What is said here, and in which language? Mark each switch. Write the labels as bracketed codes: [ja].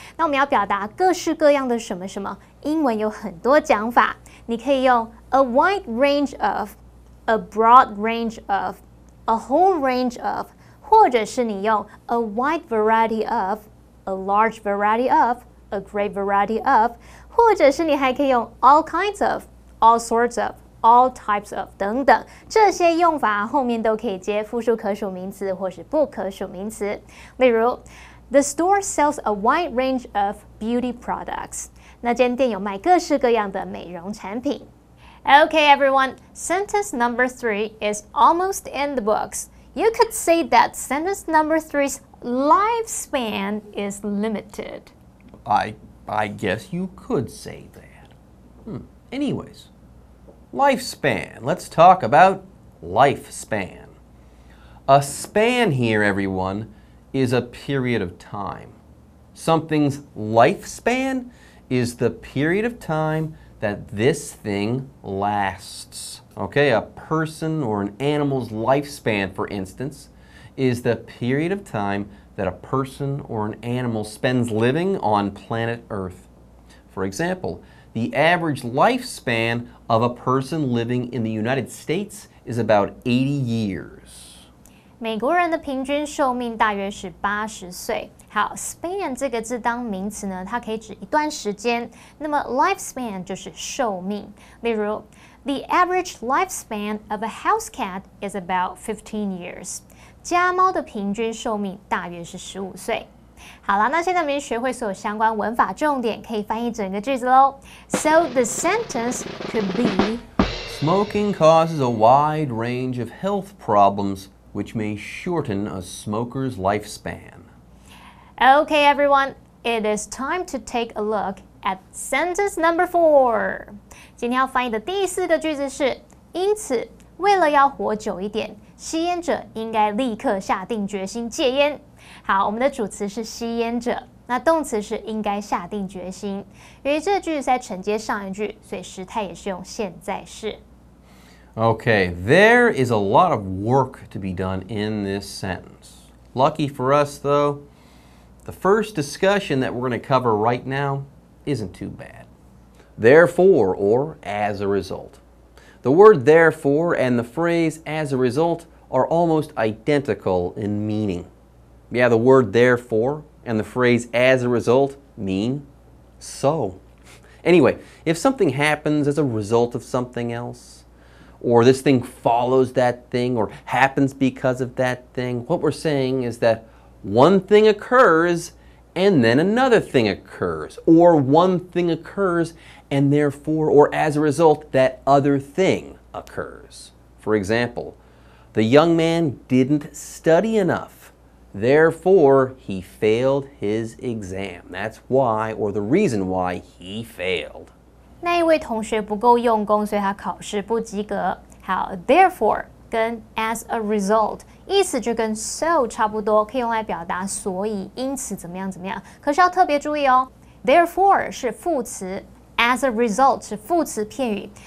[zh] 那我们要表达各式各样的什么什么，英文有很多讲法，你可以用 [en] a wide range of, [zh] a broad range of, a whole range of, 或者是你用 [en] a wide variety of, [zh] a large variety of, a great variety of, 或者是你还可以用 [en] all kinds of, all sorts of,all types of, [zh] 等等，这些用法后面都可以接复数可数名词或是不可数名词。例如 [en] ,the store sells a wide range of beauty products. [zh] 那间店有卖各式各样的美容产品。 [en] Okay, everyone, sentence number three is almost in the books. You could say that sentence number three's lifespan is limited. I guess you could say that. Anyways,Lifespan. Let's talk about lifespan. A span here, everyone, is a period of time. Something's lifespan is the period of time that this thing lasts. Okay, a person or an animal's lifespan, for instance, is the period of time that a person or an animal spends living on planet Earth. For example,The average lifespan of a person living in the United States is about 80 years. [zh] 美国人的平均寿命大约是80岁。好 ,span 这个字当名词呢,它可以指一段时间。那么 lifespan 就是寿命。例如 [en] ,the average lifespan of a house cat is about 15 years. [zh] 家猫的平均寿命大约是15岁。好啦，那现在我们学会所有相关文法重点，可以翻译整个句子咯。 [en] So the sentence could be... Smoking causes a wide range of health problems, which may shorten a smoker's lifespan. Okay, everyone, it is time to take a look at sentence number four. [zh] 今天要翻译的第四个句子是，因此，为了要活久一点，吸烟者应该立刻下定决心戒烟。好，我们的主词是吸烟者，那动词是应该下定决心。由于这句是在承接上一句，所以时态也是用现在式。 [en] Okay, there is a lot of work to be done in this sentence. Lucky for us, though, the first discussion that we're going to cover right now isn't too bad. Therefore, or as a result. The word therefore and the phrase as a result are almost identical in meaning. Yeah, the word therefore and the phrase as a result mean so. Anyway, if something happens as a result of something else, or this thing follows that thing, or happens because of that thing, what we're saying is that one thing occurs and then another thing occurs, or one thing occurs and therefore, or as a result, that other thing occurs. For example, the young man didn't study enough. Therefore, he failed his exam. That's why, or the reason why, he failed. [zh] 那一位同学不够用功，所以他考试不及格。好 ，therefore 跟 as a result 意思就跟 so 差不多，可以用来表达所以、因此怎么样怎么样。可是要特别注意哦 ，therefore 是副词 ，as a result 是副词片语。